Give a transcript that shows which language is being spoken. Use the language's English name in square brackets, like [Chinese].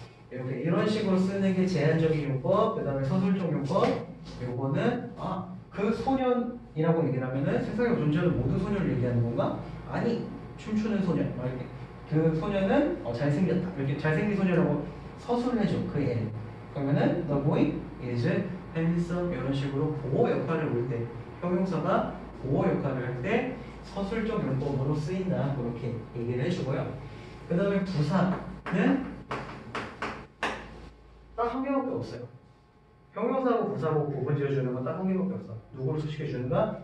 [Korean] 이렇게 이런 식으로 쓰는 게 제한적인 용법, 그 다음에 서술적 용법, 요거는, 아, 그 소년이라고 얘기를 하면은 세상에 존재하는 모든 소년을 얘기하는 건가? 아니, 춤추는 소년. 이렇게. 그 소년은 잘생겼다. 이렇게 잘생긴 소년이라고 서술해줘, 그 애. [English] 그러면은, the boy is handsome. [Korean] 이런 식으로 보호 역할을 볼 때. 형용사가 보호 역할을 할 때 서술적 용법으로 쓰인다 그렇게 얘기를 해주고요. 그 다음에 부사는 딱 한 개밖에 없어요. 형용사하고 부사하고 구분 지어주는 건 딱 한 개밖에 없어. 누구를 수식해 주는가?